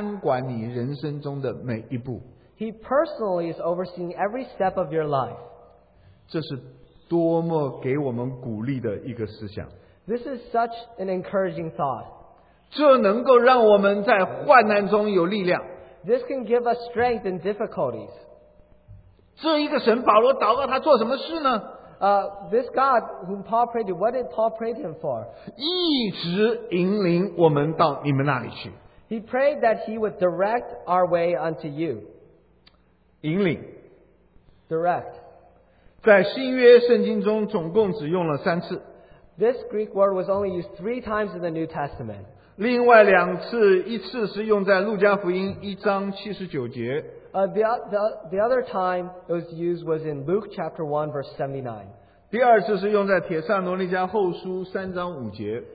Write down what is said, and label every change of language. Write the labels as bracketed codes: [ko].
[zh] 他亲自在看管你人生中的每一步, [en] he personally is overseeing every step of your life. [zh] 这是多么给我们鼓励的一个思想。 [en] This is such an encouraging thought. [zh] 这能够让我们在患难中有力量。 [en] This can give us strength in difficulties. [zh] 这一个神, 保罗祷告他做什么事呢? [en] This God whom Paul prayed to, what did Paul pray to him for? [zh] 一直引领我们到你们那里去。 [en] He prayed that he would direct our way unto you. [zh] 引领。 [en] Direct. [zh] 在新约圣经中总共只用了三次。 [en] This Greek word was only used 3 times in the New Testament. [zh] 另外两次, 一次是用在路加福音1章79节。 [en] The other time it was used was in Luke chapter 1 verse 79. [zh] 第二次是用在帖撒罗尼迦后书3章5节。